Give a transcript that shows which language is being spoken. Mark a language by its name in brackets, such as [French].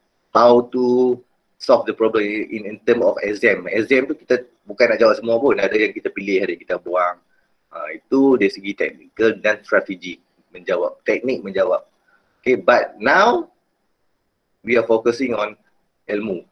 [English] How to solve the problem in term of exam. [Malay] Exam tu kita bukan nak jawab semua pun. Ada yang kita pilih, ada yang kita buang. Itu dari segi technical dan strategi. Menjawab, teknik menjawab. [English] Okay, but now we are focusing on ilmu.